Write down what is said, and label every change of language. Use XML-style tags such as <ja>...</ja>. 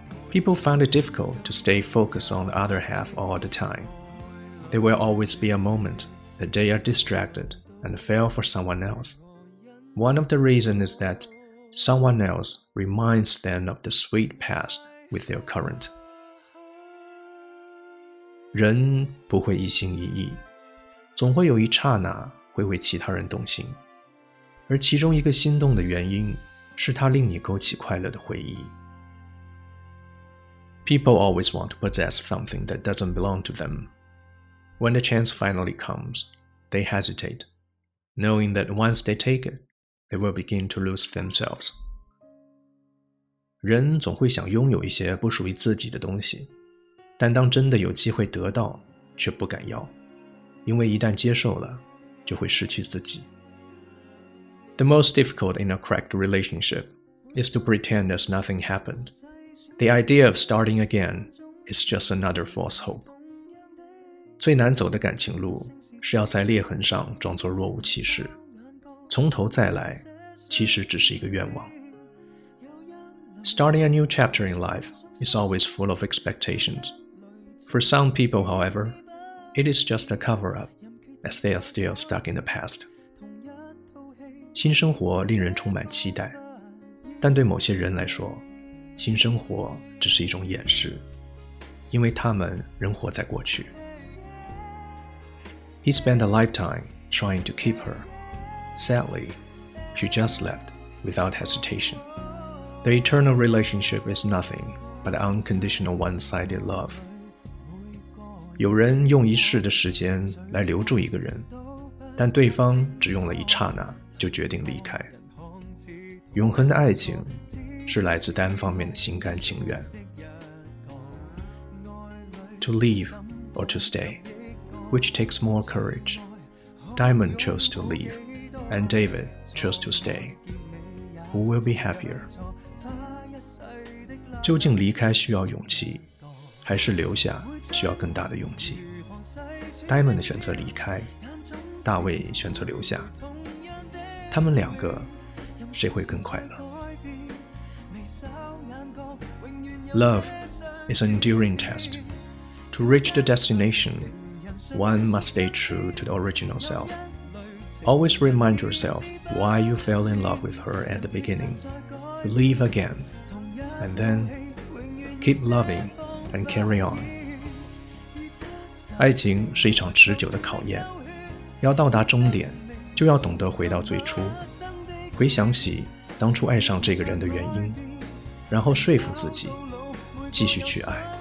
<en>People find it difficult to stay focused on the other half all the time. There will always be a moment that they are distracted and fail for someone else. One of the reasons is that someone else reminds them of the sweet past with their current.</en> <zh>人不会一心一意，总会有一刹那会为其他人动心，而其中一个心动的原因是它令你勾起快乐的回忆。</zh> <en>People always want to possess something that doesn't belong to them. When the chance finally comes, they hesitate, knowing that once they take it, they will begin to lose themselves.</en> <zh>人总会想拥有一些不属于自己的东西，但当真的有机会得到，却不敢要，因为一旦接受了，就会失去自己。</zh> <en>The most difficult in a correct relationship is to pretend as nothing happened. The idea of starting again is just another false hope.</en> <zh>最难走的感情路是要在裂痕上装作若无其事，从头再来其实只是一个愿望。</zh> <en>Starting a new chapter in life is always full of expectations. For some people, however, it is just a cover-up as they are still stuck in the past.</en> <zh>新生活令人充满期待，但对某些人来说新生活只是一种掩饰，因为他们仍活在过去。</zh> <en>He spent a lifetime trying to keep her. Sadly, she just left without hesitation. The eternal relationship is nothing but unconditional one-sided love.</en> <zh>有人用一世的时间来留住一个人，但对方只用了一刹那就决定离开。永恒的爱情是来自单方面的心甘情愿。</zh> <en>To leave or to stay, which takes more courage? Diamond chose to leave, and David chose to stay. Who will be happier?</en> <zh>究竟离开需要勇气，还是留下需要更大的勇气？ Diamond 选择离开，大卫选择留下。他们两个，谁会更快乐？</zh> <en>Love is an enduring test. To reach the destination, one must stay true to the original self. Always remind yourself why you fell in love with her at the beginning. Believe again, and then keep loving and carry on.</en> <zh>爱情是一场持久的考验，要到达终点，就要懂得回到最初，回想起当初爱上这个人的原因，然后说服自己继续去爱。</zh>